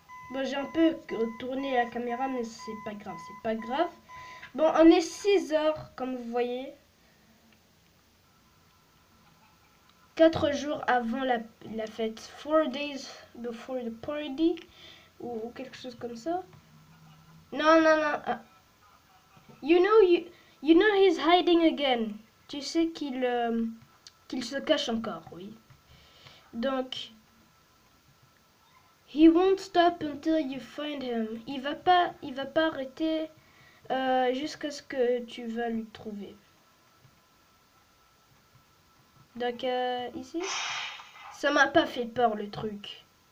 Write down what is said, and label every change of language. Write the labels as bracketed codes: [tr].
[fr] Bon, j'ai un peu tourné la caméra, mais c'est pas grave, c'est pas grave. Bon, on est 6 heures, comme vous voyez. 4 jours avant la fête. [en] 4 days before the party. [fr] Ou quelque chose comme ça. Non, non, non. Ah. [en] You know he's hiding again. [fr] Tu sais qu'il se cache encore, oui. Donc. [en] He won't stop until you find him. [fr] Il va pas arrêter jusqu'à ce que tu vas le trouver. Donc, ici, ça m'a pas fait peur le truc.